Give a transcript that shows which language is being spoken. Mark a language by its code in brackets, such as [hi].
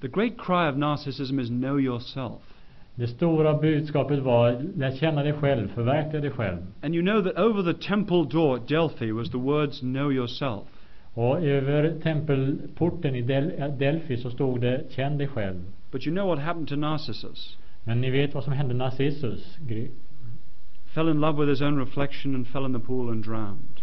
[en] The great cry of narcissism is know yourself. [sv] Det stora budskapet var lär känna dig själv, förverkliga dig själv. [en] And you know that over the temple door at Delphi was the words know yourself. [sv] Och över tempelporten i Delphi så stod det känn dig själv. [en] But you know what happened to Narcissus? [sv] Men ni vet vad som hände Narcissus? [en] Fell in love with his own reflection and fell in the pool and drowned.